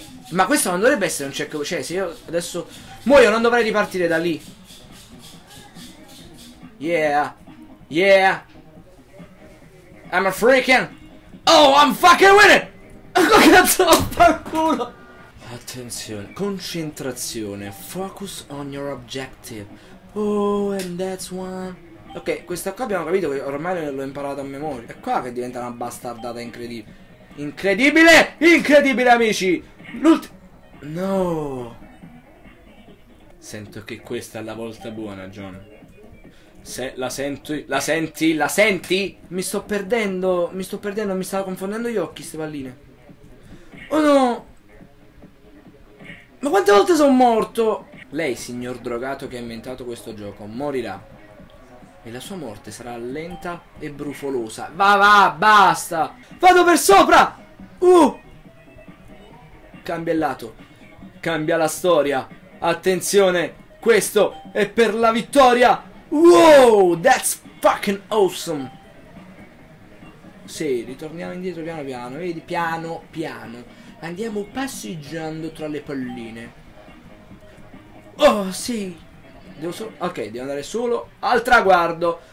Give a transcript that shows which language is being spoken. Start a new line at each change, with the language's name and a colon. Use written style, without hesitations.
Italian: Ma questo non dovrebbe essere un checkpoint. Cioè, se io adesso muoio non dovrei ripartire da lì.
English: Yeah. Yeah. I'm a freaking... Oh, I'm fucking winning!
Italian: Cazzo, vaffanculo! Attenzione, concentrazione.
English: Focus on your objective. Oh, and that's one.
Italian: Ok, questa qua abbiamo capito che ormai l'ho imparato a memoria. È qua che diventa una bastardata incredibile. Incredibile! Incredibile, amici! L'ultimo. No! Sento che questa è la volta buona, John. Se la senti. La senti? La senti? Mi sto perdendo, mi stavo confondendo gli occhi, ste palline. Oh no! Ma quante volte sono morto? Lei, signor drogato che ha inventato questo gioco, morirà. E la sua morte sarà lenta e brufolosa. Va, basta! Vado per sopra! Cambia il lato. Cambia la storia. Attenzione, questo è per la vittoria!
English: Wow, that's fucking awesome!
Italian: Sì, ritorniamo indietro piano piano, vedi, piano piano. Andiamo passeggiando tra le palline. Oh, sì. Devo solo... Ok, devo andare solo al traguardo.